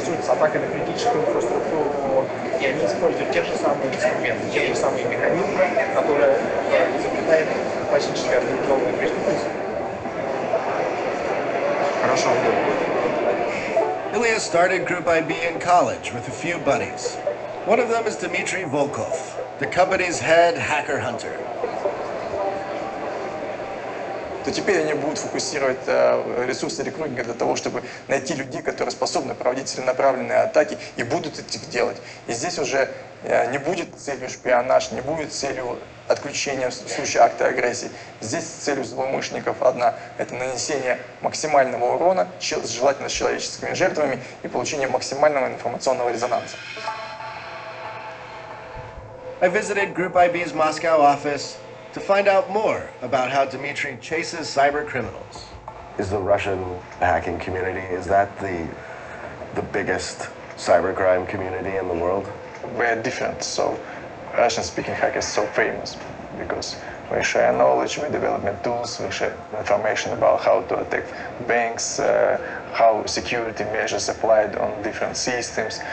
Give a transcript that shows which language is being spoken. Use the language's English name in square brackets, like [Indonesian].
[Russian] атака на критическую инфраструктуру, то и они используют те же самые инструменты, те же самые механизмы, которые изобретает классическая организованная преступность. Хорошо. [English] Илья started Group IB in college with a few buddies. One of them is Dmitry Volkov, the company's head hacker hunter. [Russian] То теперь они будут фокусировать ресурсы рекрутинга для того, чтобы найти людей, которые способны проводить целенаправленные атаки и будут это делать. И здесь уже не будет целью шпионаж, не будет целью отключения в случае акта агрессии. Здесь целью злоумышленников одна – это нанесение максимального урона, желательно с человеческими жертвами, и получение максимального информационного резонанса. [English] I visited Group IB's Moscow office to find out more about how Dmitry chases cyber criminals. Is the Russian hacking community, is that the biggest cybercrime community in the world? We're different, so Russian-speaking hackers are so famous because we share knowledge, we develop tools, we share information about how to attack banks, how security measures applied on different systems.